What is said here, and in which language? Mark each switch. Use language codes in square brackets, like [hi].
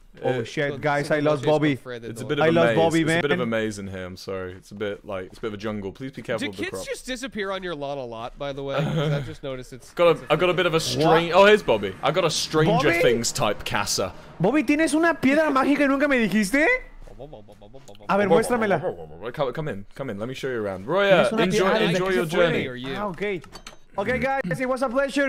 [en] Oh shit, guys, I lost Bobby. It's a bit of a maze. I love Bobby, man. It's a bit of a maze in here, I'm sorry. It's a bit of a jungle. Please be careful of the crops. Do kids just disappear on your lot a lot, by the way? I just noticed it's... I've got a bit of a strange... Oh, here's Bobby. I've got a Stranger Things type casa. [es] Bobby, ¿tienes una piedra mágica que nunca me dijiste? A ver, muéstramela. [en] Come in, let me show you around. Roya, enjoy your journey. Okay, guys, it was a pleasure.